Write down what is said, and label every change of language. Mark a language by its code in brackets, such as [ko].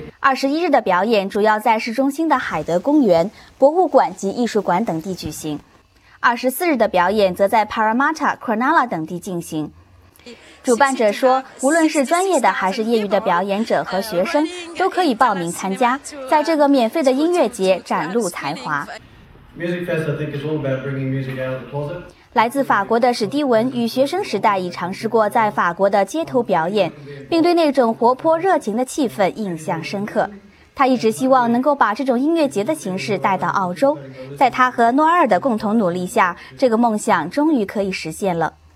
[zh] 21日的表演主要在市中心的海德公园、博物馆及艺术馆等地举行。 24日的表演则在 Parramatta、Cronulla 等地进行。主办者说，无论是专业的还是业余的表演者和学生，都可以报名参加，在这个免费的音乐节展露才华。 [en] Music Fest, I think, is all about bringing music out of the closet. [zh] 来自法国的史蒂文与学生时代已尝试过在法国的街头表演，并对那种活泼热情的气氛印象深刻。他一直希望能够把这种音乐节的形式带到澳洲，在他和诺埃尔的共同努力下，这个梦想终于可以实现了。